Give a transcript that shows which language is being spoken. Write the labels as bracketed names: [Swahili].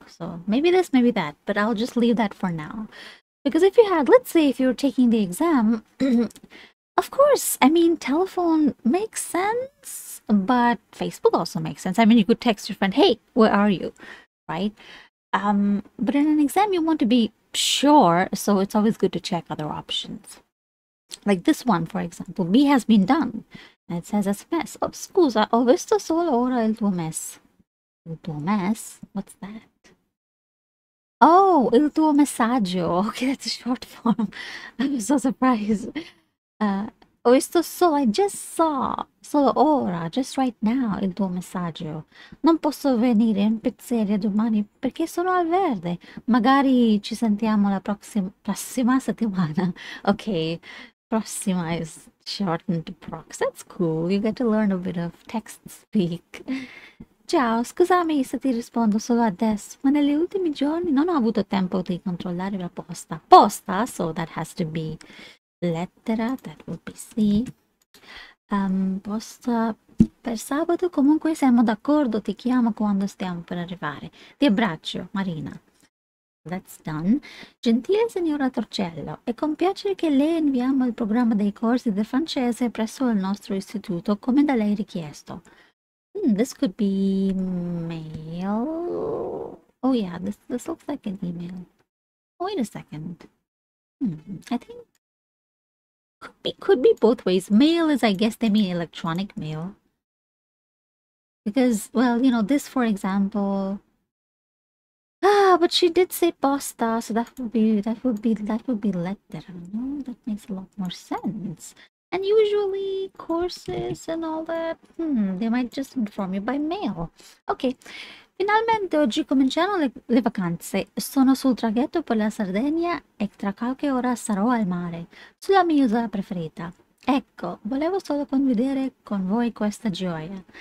[English] So maybe this, maybe that, but I'll just leave that for now. Because if you had, let's say, if you're taking the exam, of course, I mean, telephone makes sense, but Facebook also makes sense. I mean, you could text your friend, "Hey, where are you?" Right? But in an exam, you want to be sure, so it's always good to check other options. Like this one, for example, B has been done, and it says SMS. [Italian] Oh, scusa, ho visto solo ora il tuo mess. Il tuo mess? [English] What's that? [Italian] Oh, il tuo messaggio. [English] Okay, that's a short form. I'm so surprised. [Italian] Ho visto solo, [English] I just saw, [Italian] solo ora, [English] just right now, [Italian] il tuo messaggio. Non posso venire in pizzeria domani perché sono al verde. Magari ci sentiamo la prossima settimana. [English] Ok, prossima is shortened to prox. That's cool, you get to learn a bit of text speak. [Italian] Ciao, scusami se ti rispondo solo adesso, ma negli ultimi giorni non ho avuto tempo di controllare la posta. [English] Posta? So that has to be lettera, that would be C. [Italian] Posta per sabato, comunque siamo d'accordo, ti chiamo quando stiamo per arrivare. Ti abbraccio, Marina. [English] That's done. [Italian] Gentile signora Torcello, è con piacere che lei inviamo il programma dei corsi del francese presso il nostro istituto, come da lei richiesto. [English] This could be mail. Oh yeah, this looks like an email. Wait a second. I think could be both ways. Mail is, I guess they mean electronic mail. Because, well, you know, this for example. Ah, but she did say posta, so that would be letter. No, that makes a lot more sense. And usually courses and all that, they might just inform you by mail. [Italian] Okay. Finalmente oggi cominciano le vacanze. Sono sul traghetto per la Sardegna e tra qualche ora sarò al mare, sulla mia isola preferita. Ecco, volevo solo condividere con voi questa gioia.